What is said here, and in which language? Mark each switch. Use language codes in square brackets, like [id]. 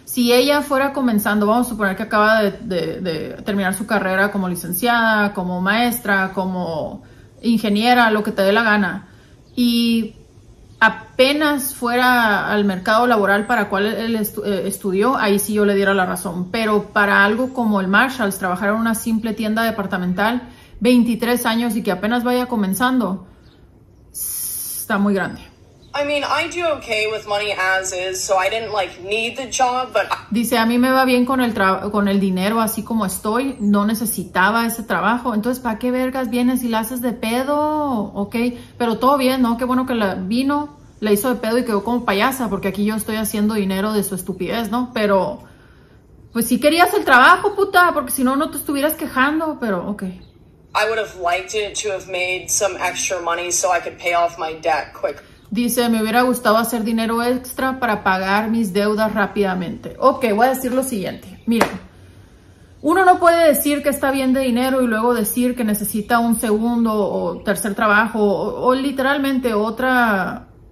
[es] Si ella fuera comenzando, vamos a suponer que acaba de terminar su carrera como licenciada, como maestra, como ingeniera, lo que te dé la gana, y apenas fuera al mercado laboral para cual él estudió, ahí sí yo le diera la razón. Pero para algo como el Marshalls, trabajar en una simple tienda departamental, 23 años y que apenas vaya comenzando, está muy grande. [en] I mean, I do okay with money as is, so I didn't like need the job, but [es] dice, a mí me va bien con el dinero así como estoy, no necesitaba ese trabajo. Entonces, ¿para qué vergas vienes y la haces de pedo? Okay, pero todo bien, ¿no? Qué bueno que la vino, la hizo de pedo y quedó como payasa, porque aquí yo estoy haciendo dinero de su estupidez, ¿no? Pero pues sí querías el trabajo, puta, porque si no no te estuvieras quejando, pero okay. [en] I would have liked it to have made some extra money so I could pay off my debt quick. [es] Dice, me hubiera gustado hacer dinero extra para pagar mis deudas rápidamente. Ok, voy a decir lo siguiente. Mira, uno no puede decir que está bien de dinero y luego decir que necesita un segundo o tercer trabajo o literalmente otro...